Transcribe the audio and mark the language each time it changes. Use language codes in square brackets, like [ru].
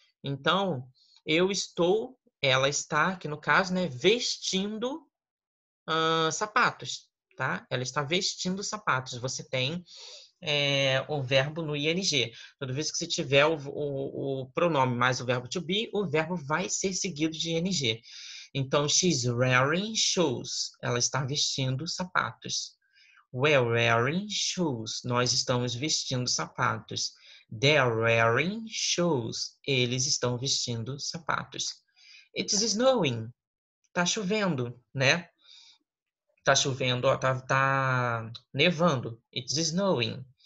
[pt] Então, eu estou, ela está, que no caso, né, vestindo sapatos, tá? Ela está vestindo sapatos. Você tem o verbo no ing. Toda vez que você tiver o pronome mais o verbo to be, o verbo vai ser seguido de ing. [en] Então, she's wearing shoes. [pt] Ela está vestindo sapatos. [en] We're wearing shoes. [pt] Nós estamos vestindo sapatos. [en] They're wearing shoes. [pt] Eles estão vestindo sapatos. [en] It's snowing. [pt] Tá chovendo, né? Tá chovendo, ó, tá nevando. It's snowing.